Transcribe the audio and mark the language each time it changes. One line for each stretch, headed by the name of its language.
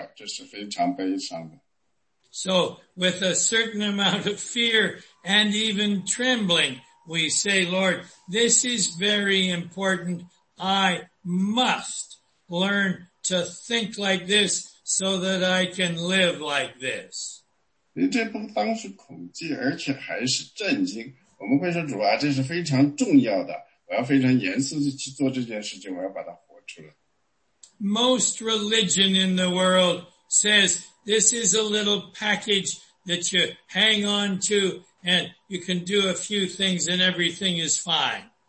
Chinese: 所以呢，这同样呢，对我们是重要的。我们同样是说呢，假装这个事情不重要，然后我们就会忘掉，这是非常悲伤的。
English: So, with a certain amount of fear and even trembling, we say, Lord, this is very important. I must learn to think like this so that I can live like this.
Chinese: 这不当是恐惧，而且还是震惊。我们会说，主啊，这是非常重要的，我要非常严肃地去做这件事情，我要把它活出来。
English: Most religion in the world says this is a little package that you hang on to and you can do a few things and everything is fine.